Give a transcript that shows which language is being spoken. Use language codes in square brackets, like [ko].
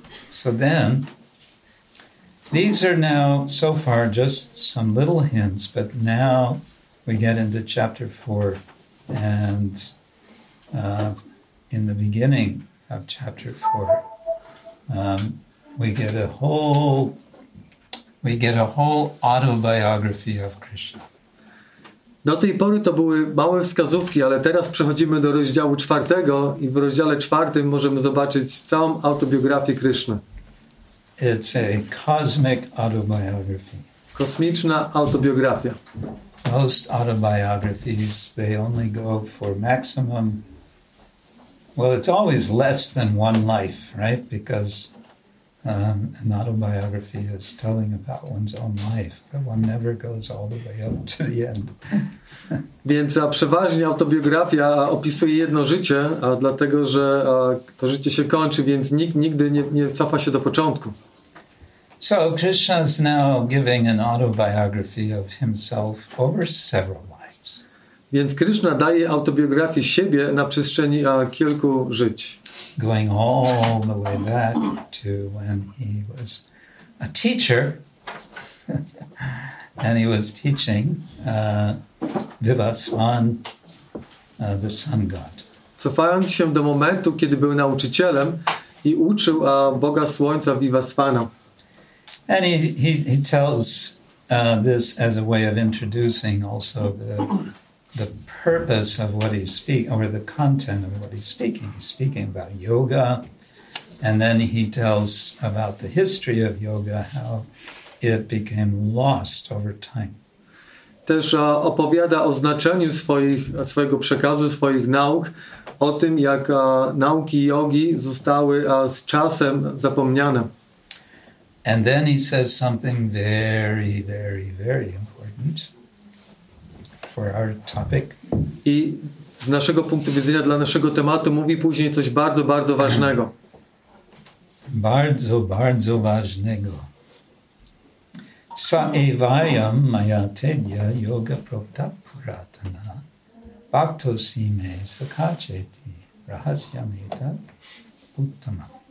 [en] So then these are now, so far, just some little hints, but now we get into chapter 4, and in the beginning of chapter 4, we get a whole autobiography of Krishna. [pl] Do tej pory to były małe wskazówki, ale teraz przechodzimy do rozdziału 4 i w rozdziale 4 możemy zobaczyć całą autobiografię Krishna. [en] It's a cosmic autobiography. [pl] Kosmiczna autobiografia. [en] Most autobiographies, they only go for maximum. Well, it's always less than one life, right? Because an autobiography is telling about one's own life, but one never goes all the way up to the end. [pl] Więc przeważnie autobiografia opisuje jedno życie, dlatego że to życie się kończy, więc nikt nigdy nie cofa się do początku. [en] So Krishna is now giving an autobiography of himself over several lives. [pl] Więc Krishna daje autobiografię siebie na przestrzeni kilku żyć. [en] Going all the way back to when he was a teacher and he was teaching Vivasvan, the sun god. [pl] Cofając się do momentu, kiedy był nauczycielem i uczył Boga Słońca Vivasvana. [en] And he tells this as a way of introducing also the purpose of what he's speaking, or the content of what he's speaking. He's speaking about yoga, and then he tells about the history of yoga, how it became lost over time. [pl] Też opowiada o znaczeniu swojego przekazu, swoich nauk, o tym, jak nauki jogi zostały z czasem zapomniane. [en] And then he says something very, very, very important for our topic. [pl] I z naszego punktu widzenia, dla naszego tematu, mówi później coś bardzo, bardzo ważnego. Bardzo, bardzo ważnego. [sa] Saevayam mayatedya yoga prakta puratana bhaktosime sakacheti rahasyam etat uttama.